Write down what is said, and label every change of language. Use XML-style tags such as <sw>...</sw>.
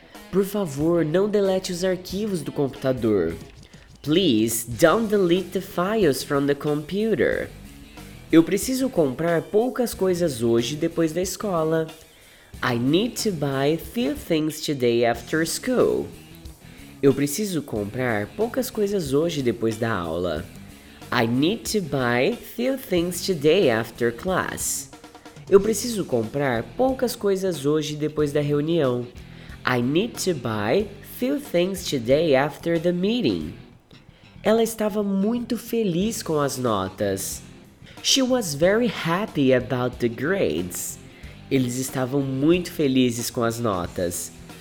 <pt>Por favor, não delete os arquivos do computador.</pt> <en>Please, don't delete the files from the computer.</en> <pt>Eu preciso comprar poucas coisas hoje depois da escola.</pt> <en>I need to buy few things today after school.</en> <pt>Eu preciso comprar poucas coisas hoje depois da aula.</pt> <en>I need to buy few things today after class.</en> <pt>Eu preciso comprar poucas coisas hoje depois da reunião.</pt> <en>I need to buy few things today after the meeting.</en> <pt>Ela estava muito feliz com as notas.</pt> <en>She was very happy about the grades.</en> <pt>Eles estavam muito felizes com as notas.</pt>